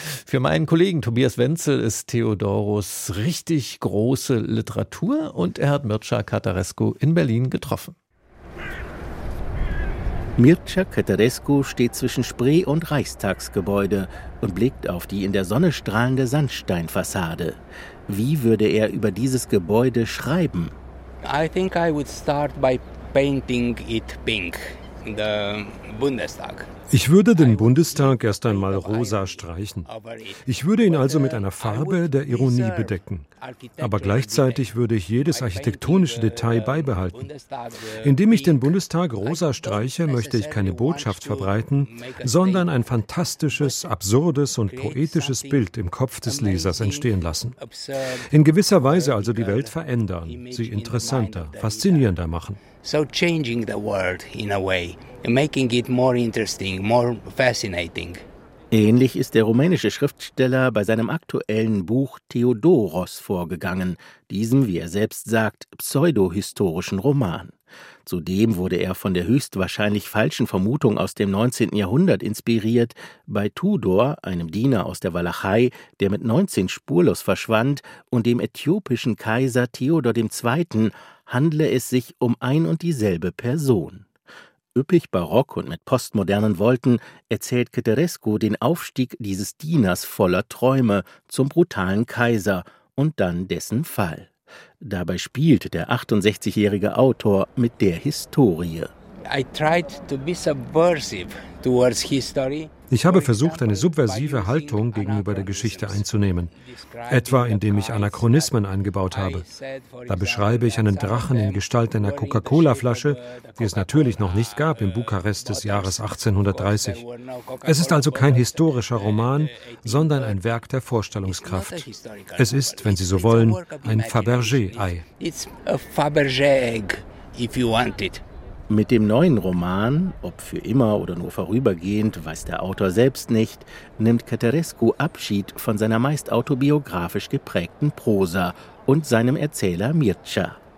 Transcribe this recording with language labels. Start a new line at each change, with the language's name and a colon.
German: Für meinen Kollegen Tobias Wenzel ist Theodorus richtig große Literatur und er hat Mircea Cărtărescu in Berlin getroffen. Mircea Cărtărescu steht zwischen Spree- und Reichstagsgebäude und blickt auf die in der Sonne strahlende Sandsteinfassade. Wie würde er über dieses Gebäude schreiben?
English: I think I would start by painting it pink.
German: der Bundestag. Ich würde den Bundestag erst einmal rosa streichen. Ich würde ihn also mit einer Farbe der Ironie bedecken. Aber gleichzeitig würde ich jedes architektonische Detail beibehalten. Indem ich den Bundestag rosa streiche, möchte ich keine Botschaft verbreiten, sondern ein fantastisches, absurdes und poetisches Bild im Kopf des Lesers entstehen lassen. In gewisser Weise also die Welt verändern, sie interessanter, faszinierender machen.
English: So changing the world in a way, making it more interesting, more fascinating.
German: Ähnlich ist der rumänische Schriftsteller bei seinem aktuellen Buch Theodoros vorgegangen, diesem, wie er selbst sagt, pseudohistorischen Roman. Zudem wurde er von der höchstwahrscheinlich falschen Vermutung aus dem 19. Jahrhundert inspiriert, bei Tudor, einem Diener aus der Walachei, der mit 19 spurlos verschwand, und dem äthiopischen Kaiser Theodor II., handle es sich um ein und dieselbe Person. Üppig barock und mit postmodernen Wolten erzählt Ceterescu den Aufstieg dieses Dieners voller Träume zum brutalen Kaiser und dann dessen Fall. Dabei spielt der 68-jährige Autor mit der Historie.
English: I tried to be subversive towards history.
German: Ich habe versucht, eine subversive Haltung gegenüber der Geschichte einzunehmen, etwa indem ich Anachronismen eingebaut habe. Da beschreibe ich einen Drachen in Gestalt einer Coca-Cola-Flasche, die es natürlich noch nicht gab in Bukarest des Jahres 1830. Es ist also kein historischer Roman, sondern ein Werk der Vorstellungskraft. Es ist, wenn Sie so wollen, ein Fabergé-Ei.
English: It's a Fabergé-Egg, if you want it.
German: Mit dem neuen Roman, ob für immer oder nur vorübergehend, weiß der Autor selbst nicht, nimmt Ceterescu Abschied von seiner meist autobiografisch geprägten Prosa und seinem Erzähler Mircea.